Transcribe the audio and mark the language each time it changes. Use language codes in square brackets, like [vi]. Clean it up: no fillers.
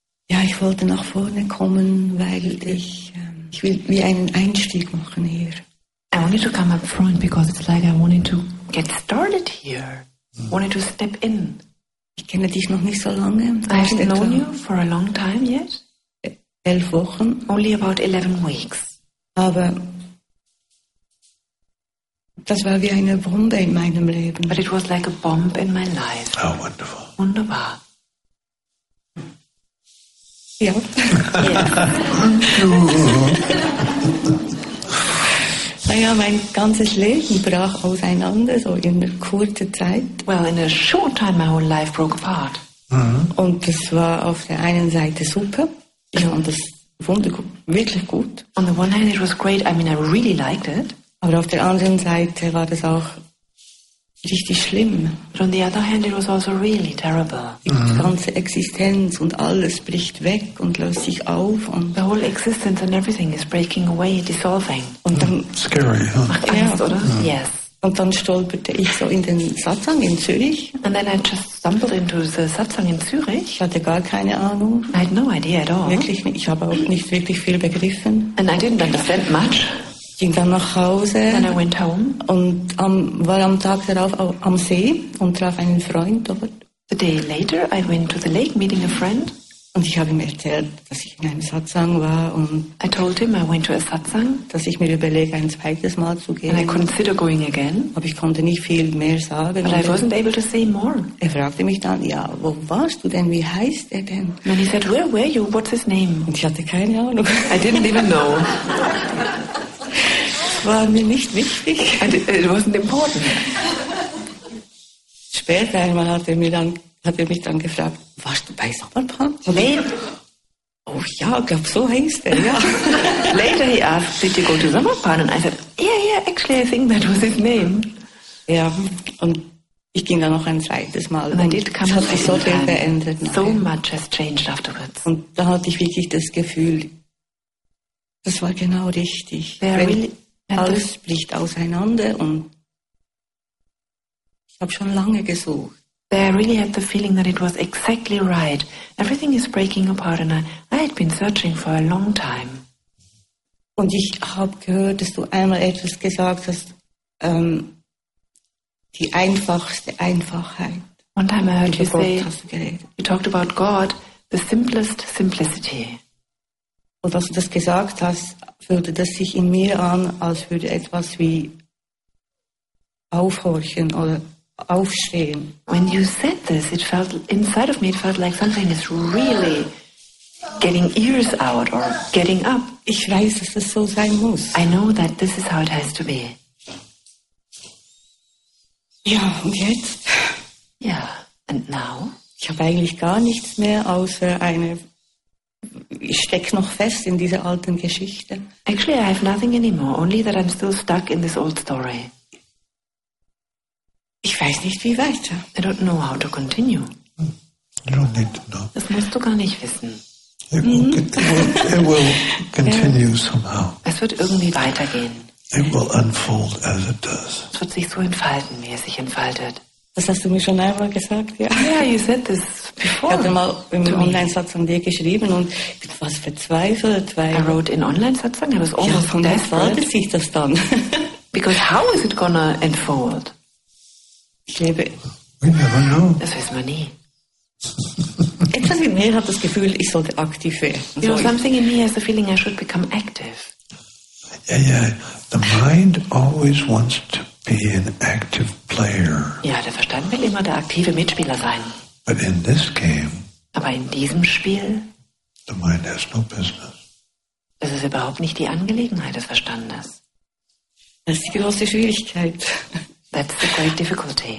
[de] Ja, ich wollte nach vorne kommen, weil ich will wie einen Einstieg machen hier. [en] I wanted to come up front because it's like I wanted to get started here. Mm. Wanted to step in. [de] Ich kenne dich noch nicht so lange. [en] I haven't known you for a long time yet. [de] 11 Wochen. [en] Only about 11 weeks. [de] Aber das war wie eine Bombe in meinem Leben. [en] But it was like a bomb in my life. Oh, wonderful. [de] Wunderbar. Ja. Naja, mein ganzes Leben brach auseinander, so in einer kurzen Zeit. [en] Well, in a short time my whole life broke apart. Mm-hmm. [de] Und das war auf der einen Seite super. Ich fand das wunderbar, wirklich gut. [en] On the one hand it was great, I mean I really liked it. [de] Aber auf der anderen Seite war das auch richtig schlimm. [en] But on the other hand, it was also really terrible. Mm-hmm. [de] Die ganze Existenz und alles bricht weg und löst sich auf. Und [en] the whole existence and everything is breaking away, dissolving. [de] Und dann [en] scary, huh? [de] Macht Angst, ja, oder? Ja. [en] Yes. [de] Und dann stolperte ich so in den Satsang in Zürich. [en] And then I just stumbled into the Satsang in Zürich. [de] Ich hatte gar keine Ahnung. [en] I had no idea at all. [de] Wirklich nicht. Ich habe auch nicht wirklich viel begriffen. [en] And I didn't understand much. [de] Ich ging dann nach Hause [en] and I went home. [de] Und war am Tag darauf am See und traf einen Freund dort. [en] The day later, I went to the lake meeting a friend. [de] Und ich habe ihm erzählt, dass ich in einem Satsang war. Und [en] I told him I went to a Satsang. [de] Dass ich mir überlege, ein zweites Mal zu gehen. [en] And I consider going again. [de] Aber ich konnte nicht viel mehr sagen. [en] But I wasn't able to say more. [de] Er fragte mich dann, ja, wo warst du denn? Wie heißt er denn? [en] And he said, where were you? What's his name? [de] Und ich hatte keine Ahnung. [en] I didn't even know. [de] War mir nicht wichtig. [en] It wasn't important. [de] Später einmal hat er mich dann gefragt, warst du bei Sommerpan? Oh ja, glaub so heißt er, ja. [en] Later he asked, did you go to Sommerpan? And I said, yeah, yeah, actually I think that was his name. [de] Ja, und ich ging dann noch ein zweites Mal. [en] And it [de] hat sich so viel verändert. [en] So much has changed afterwards. [de] Und da hatte ich wirklich das Gefühl, das war genau richtig. Alles bricht auseinander und ich habe schon lange gesucht. [en] I really had the feeling that it was exactly right. Everything is breaking apart and I had been searching for a long time. [de] Und ich habe gehört, dass du einmal etwas gesagt hast, die einfachste Einfachheit. [en] One time I heard you say, you talked about God, the simplest simplicity. [de] Und als du das gesagt hast, fühlte das sich in mir an, als würde etwas wie aufhorchen oder aufstehen. [en] When you said this, it felt inside of me, it felt like something is really getting ears out or getting up. [de] Ich weiß, dass das so sein muss. [en] I know that this is how it has to be. [de] Ja, und jetzt? [en] Ja, and now? [de] Ich habe eigentlich gar nichts mehr, außer eine... Ich stecke noch fest in dieser alten Geschichte. [en] Actually, I have nothing anymore, only that I'm still stuck in this old story. [de] Ich weiß nicht, wie weiter. [en] I don't know how to continue. You don't need to know. [de] Das musst du gar nicht wissen. [en] It will continue somehow. [de] Es wird irgendwie weitergehen. [en] It will unfold as it does. [de] Es wird sich so entfalten, wie es sich entfaltet. Das hast du mir schon einmal gesagt, ja. [en] Yeah, you said this before. [de] Ich hatte mal im Online-Satz an dir geschrieben und ich bin fast verzweifelt, weil... [en] I wrote in Online-Satz an, I was almost [de] ja, [en] desperate. [de] Ja, wie sich das dann? [en] Because how is it gonna unfold? [de] Ich lebe... [en] We never know. [de] Das wissen wir nie. Etwas in mir hat das Gefühl, ich sollte aktiv werden. [en] You know, something in me has the feeling I should become active. Yeah, yeah. The mind always wants to be an active player. [de] Ja, der Verstand will immer der aktive Mitspieler sein. [en] But in this game, [de] aber in diesem Spiel, [en] the mind has no business. [de] Das ist überhaupt nicht die Angelegenheit des Verstandes. Das ist die große Schwierigkeit. [en] That's the great difficulty.